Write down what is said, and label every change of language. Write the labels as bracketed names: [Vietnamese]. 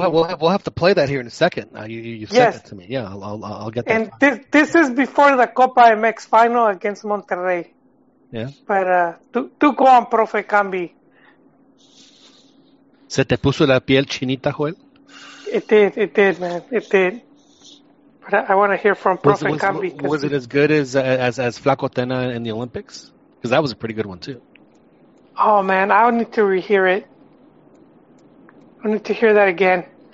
[English] Oh, we'll have to play that here in a second. You sent it to me. Yeah, I'll get that. And this is before the Copa MX final against Monterrey. Yeah. But [Spanish] tú con profe Cambi. ¿Se te puso la piel chinita, Joel? [English] It did, man. It did. But I want to hear from Profe Cambi. Was it as good as Flaco Tena in the Olympics? Because that was a pretty good one, too. Oh, man, I need to rehear it. I need to hear that again.